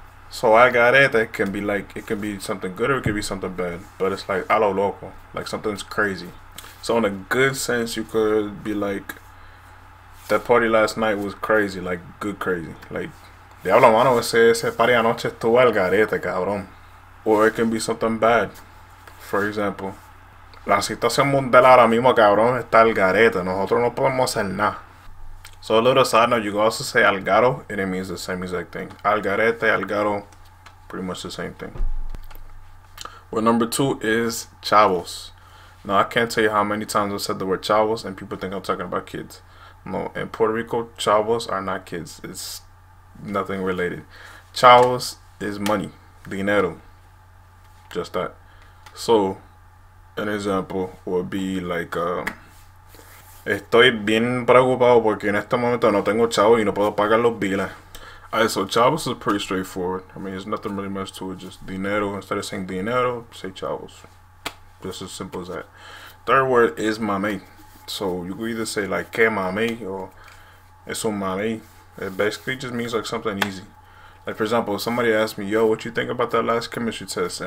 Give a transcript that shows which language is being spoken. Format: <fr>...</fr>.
<en>So algarete can be like, it can be something good or it can be something bad, but it's like</en> <es>a lo loco,</es> <en>like something's crazy. So in a good sense, you could be like, that party last night was crazy, like good crazy, like,</en> <es>diablo mano, ese party anoche estuvo al garete, cabrón.</es> <en>Or it can be something bad. For example,</en> <es>la situación mundial ahora mismo, cabrón, está al garete. Nosotros no podemos hacer nada.</es> <en>So a little side note, you can also say algaro, and it means the same exact thing. Al garete, algaro, pretty much the same thing. Word number two is chavos. Now, I can't tell you how many times I've said the word chavos, and people think I'm talking about kids. No, in Puerto Rico, chavos are not kids. It's nothing related. Chavos is money, dinero, just that. So an example would be like,</en> <es>estoy bien preocupado porque en este momento no tengo chavos y no puedo pagar los billes.</es> <en>Alright, so chavos is pretty straightforward. I mean, there's nothing really much to it, just dinero. Instead of saying dinero, say chavos. Just as simple as that. Third word is mamey. So you could either say like,</en> <es>que mamey,</es> <en>or</en> <es>es un mamey.</es> <en>It basically just means like something easy. Like, for example, somebody asked me, yo, what you think about that last chemistry test?</en>